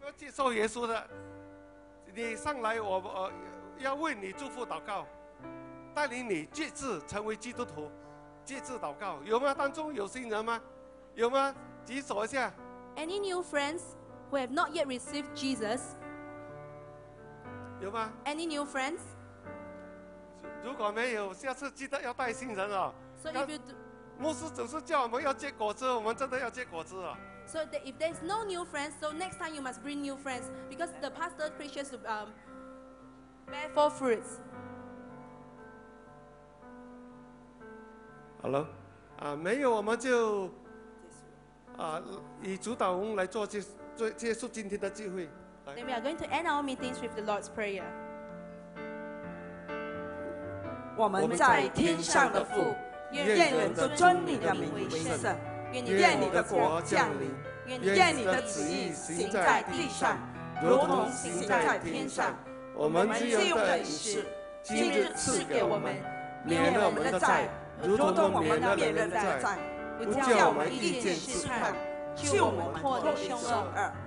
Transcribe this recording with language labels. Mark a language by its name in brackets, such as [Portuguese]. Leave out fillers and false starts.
[Chinese] 受耶稣的，你上来，我要为你祝福祷告，带领你立志成为基督徒，立志祷告，有吗？当中有新人吗？有吗？举手一下。 [English] Any new friends who have not yet received Jesus？ [Chinese] 有吗 [English] ？Any new friends？ [Chinese] 如果没有，下次记得要带新人啊。 [English] So if you do， [Chinese] 牧师总是叫我们要结果子，我们真的要结果子啊。 [English] So that if there's no new friends, so next time you must bring new friends because the pastor preaches to bear four fruits. [Chinese] Hello, 没有我们就以主祷文来做结束今天的聚会。 [English] Then we are going to end our meetings with the Lord's Prayer. [Chinese] 我们在天上的父，愿你的尊你的名为圣。愿你的国降临，愿你的旨意行在地上，如同行在天上。我们今日的饮食，今日赐给我们，免了我们的债，如同我们的免了人债，不叫我们遇见试探，救我们脱离凶恶。